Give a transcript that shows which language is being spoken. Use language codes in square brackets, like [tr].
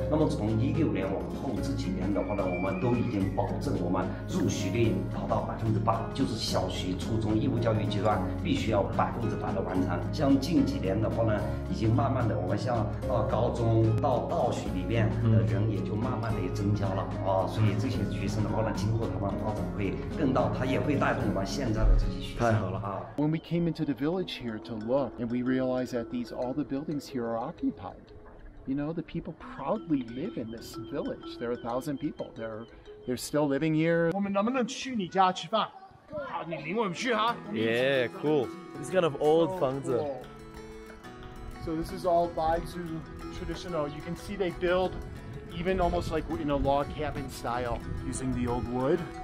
[zh] 那么从2016年往后这几年的话呢，我们都已经保证我们入学率达到8%，就是小学、初中义务教育阶段必须要100%的完成。像近几年的话呢，已经慢慢的，我们像到高中到大学里面的人也就慢慢的也增加了。所以这些学生的话呢，经过他们发展会更大，他也会带动我们现在的这些学生。太好了啊。 [en] When we came into the village here to look, and we realized that all the buildings here are occupied. You know, the people proudly live in this village. There are 1,000 people. They're still living here. [zh] 我们能不能去你家吃饭？好，你领我们去哈。 [en] Yeah, cool. This kind of old 房子。 So this is all Baizhu traditional. You can see they build. Even almost like in a log cabin style, using the old wood.